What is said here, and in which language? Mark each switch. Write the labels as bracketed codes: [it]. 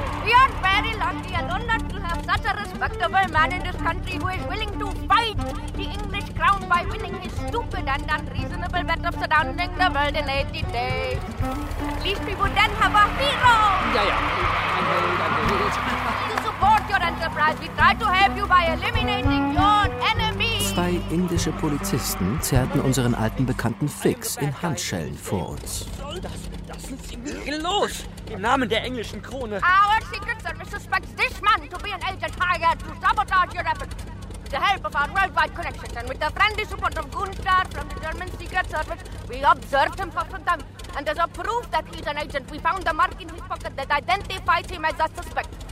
[en] We are very lucky and honored to have such a respectable man in this country who is willing to fight the English crown by winning his stupid and unreasonable bet of surrounding the world in 80 days. At least we would then have a hero! Yeah, yeah. To support your enterprise, we try to help you by eliminating your enemy. [de] Zwei indische Polizisten zerrten unseren alten Bekannten Fix in Handschellen vor uns. Los! Im Namen der englischen Krone! [en] Our secret service suspects this man to be an agent hired to sabotage your efforts. With the help of our worldwide connections and with the friendly support of Gunther from the German secret service, we observed him for some time. And as a proof that he's an agent, we found the mark in his pocket that identifies him as a suspect.